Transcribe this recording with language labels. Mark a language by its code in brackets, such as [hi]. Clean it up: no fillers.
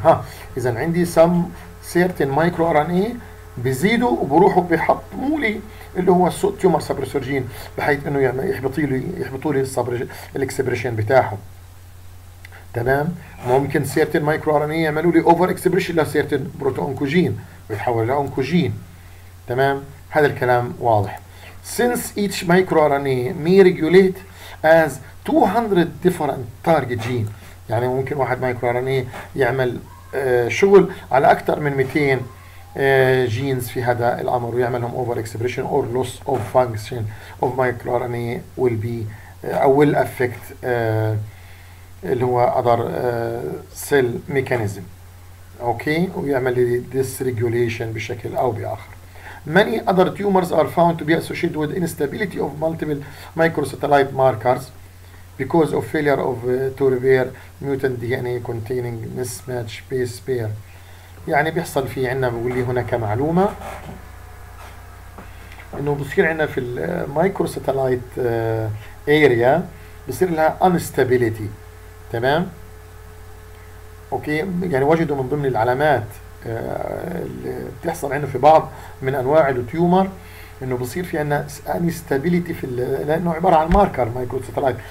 [ar] ها اذا عندي سم سيرتين مايكرو ار ان اي بيزيدوا وبروحوا بيحطموا لي اللي هو السو تيومر سبريسور جين بحيث انه يعني يحبطوا لي الاكسبريشن بتاعهم. تمام. ممكن سيرتين مايكرو ار ان اي يعملوا لي اوفر اكسبريشن لسيرتين بروتو اونكوجين ويتحول لاونكوجين. تمام. هذا الكلام واضح. [en] Since each microRNA may regulate as 200 different target gene. [ar] يعني ممكن واحد microRNA يعمل شغل على أكثر من 200 genes في هذا الأمر ويعملهم [en] over expression or loss of function of microRNA will be or will affect [ar] اللي هو other cell mechanism. [en] Okay. [ar] ويعمل [en] this regulation [ar] بشكل أو بآخر. [en] Many other tumors are found to be associated with instability of multiple microsatellite markers because of failure of to repair mutant DNA containing mismatch base pair. [ar] يعني بيحصل في عنا بقول لي هناك معلومة إنه بصير عنا في microsatellite area بصير لها instability. تمام. أوكي. يعني وجدوا من ضمن العلامات اللي بتحصل عنا في بعض من انواع التيومر انه بصير في عنا انستابيليتي في لانه عباره عن ماركر مايكرو ساتلايت.